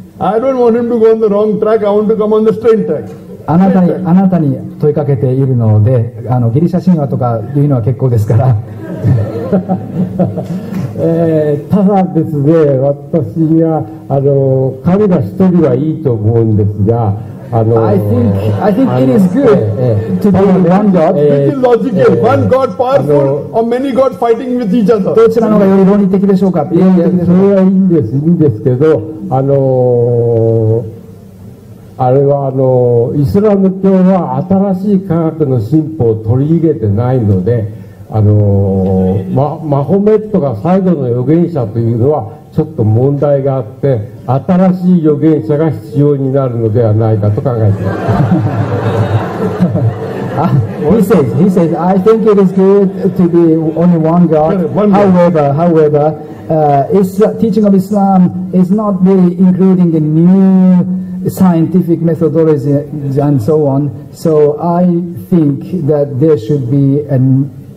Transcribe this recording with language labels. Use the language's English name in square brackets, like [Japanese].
[English] I don't want him to go on the wrong track. I want to come on the straight track. [Japanese] あなたに問いかけているので、ギリシャ神話とかいうのは結構ですから。ただですね、私が神が一人はいいと思うんですが、 [English] I think it is good to be one God. Pretty logical. One God powerful or many God fighting with each other. [Japanese] どちらの方がより論理的でしょうか。いやいや、それはいいんです、いいんですけど、あれはイスラム教は新しい科学の進歩を取り入れてないので、マホメットが最後の預言者というのはちょっと問題があって、新しい預言者が必要になるのではないかと考えています [English] 。 He says, I think it is good to be only one God. However, teaching of Islam is not really including the new scientific methodologies and so on. So I think that there should be an